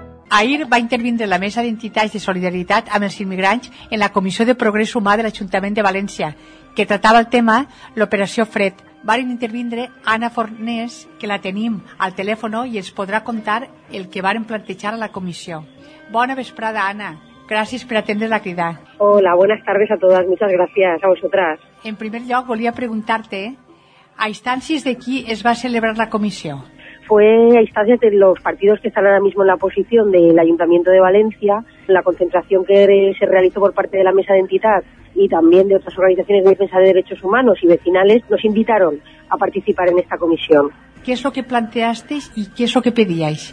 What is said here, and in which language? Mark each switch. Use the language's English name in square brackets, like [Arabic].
[Catalan] Ahir va intervindre la Mesa d'Entitats de Solidaritat amb els Immigrants en la Comissió de Progrés Humà de l'Ajuntament de València, que tractava el tema l'Operació Fred. Varen intervindre Anna Fornés, que la tenim al telèfon i ens podrà contar el que varen plantejar a la comissió. Bona vesprada, Anna. Gràcies per atendre la crida. [Spanish] Hola, buenas tardes a todas. Muchas gracias a vosotras. [Catalan] En primer lloc, volia preguntar-te, a instàncies de qui es va celebrar la comissió? [Spanish] Fue a instancias de los partidos que están ahora mismo en la oposición del Ayuntamiento de Valencia, la concentración que se realizó por parte de la Mesa de Entidad y también de otras organizaciones de defensa de derechos humanos y vecinales, nos invitaron a participar en esta comisión. ¿Qué es lo que planteasteis y qué es lo que pedíais?